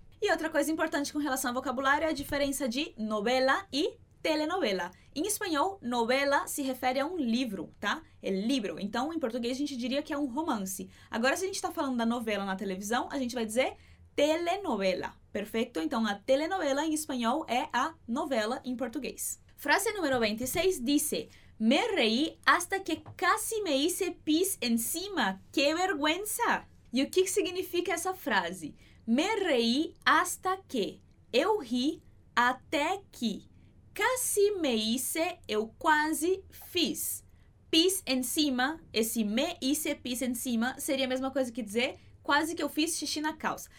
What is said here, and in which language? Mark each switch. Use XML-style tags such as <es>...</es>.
<pt>E outra coisa importante com relação ao vocabulário é a diferença de novela e telenovela. Em espanhol, novela se refere a um livro, tá? É libro. Então, em português, a gente diria que é um romance. Agora, se a gente está falando da novela na televisão, a gente vai dizer telenovela. Perfeito? Então, a telenovela em espanhol é a novela em português.</pt> <es>Frase número 26 dice: Me reí hasta que casi me hice pis encima. ¡Qué vergüenza!</es> <pt>E o que significa essa frase?</pt> <es>Me reí hasta que.</es> <pt>Eu ri até que.</pt> <es>Casi me hice,</es> <pt>eu quase fiz.</pt> <es>Pis encima,</es> <pt>esse</pt> <es>me hice pis encima,</es> <pt>seria a mesma coisa que dizer quase que eu fiz xixi na calça.</pt>